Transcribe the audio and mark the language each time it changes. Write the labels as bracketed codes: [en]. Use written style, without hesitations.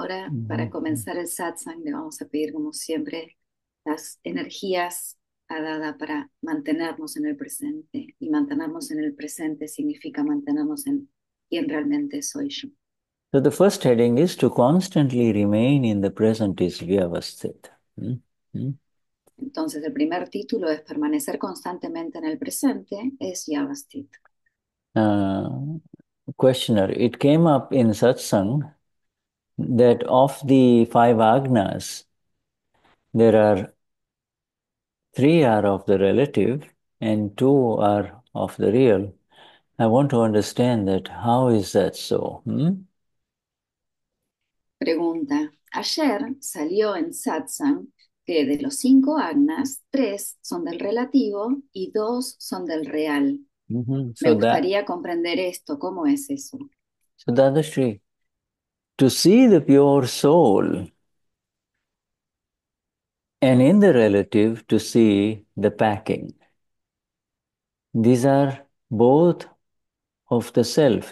[es] ahora, para comenzar el satsang, le vamos a pedir, como siempre, las energías a Dada para mantenernos en el presente. Y mantenernos en el presente significa mantenernos en quién realmente soy yo. [en] So the first heading is to constantly remain in the present is vyavasthita. [es] Entonces, el primer título es permanecer constantemente en el presente, es Yavastit. [en] Questioner, it came up in satsang that of the five agnas, there are three are of the relative and two are of the real. I want to understand that. How is that so? [es] Pregunta. Ayer salió en Satsang que de los cinco agnas, tres son del relativo y dos son del real. Me [en] So that. [es] gustaría comprender esto. ¿Cómo es eso? [en] So Dadashri, to see the pure soul and in the relative to see the packing, these are both of the self.